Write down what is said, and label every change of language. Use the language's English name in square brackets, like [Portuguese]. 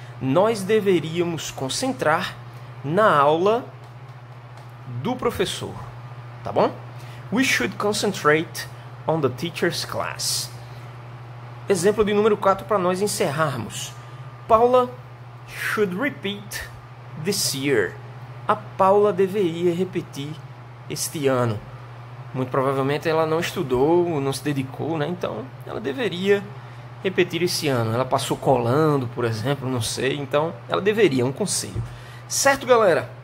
[Portuguese] Nós deveríamos concentrar na aula do professor, tá bom? [English] We should concentrate on the teacher's class. [Portuguese] Exemplo de número 4 para nós encerrarmos. Paula [English] should repeat this year. [Portuguese] A Paula deveria repetir este ano. Muito provavelmente ela não estudou, não se dedicou, né? Então ela deveria repetir esse ano. Ela passou colando, por exemplo, não sei. Então ela deveria, um conselho. Certo, galera?